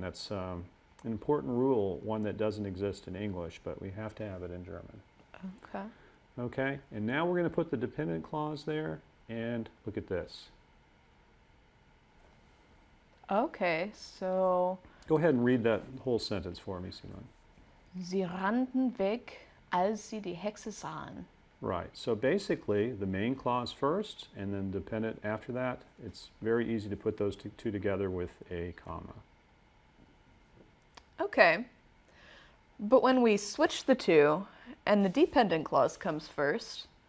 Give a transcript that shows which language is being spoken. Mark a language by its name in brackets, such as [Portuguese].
[English] That's an important rule, one that doesn't exist in English, but we have to have it in German. Okay. Okay, and now we're going to put the dependent clause there, and look at this. Okay, so... Go ahead and read that whole sentence for me, Simone. [German] Sie rannten weg, als sie die Hexe sahen. [English] Right, so basically the main clause first and then dependent after that, it's very easy to put those two together with a comma. Okay, but when we switch the two and the dependent clause comes first.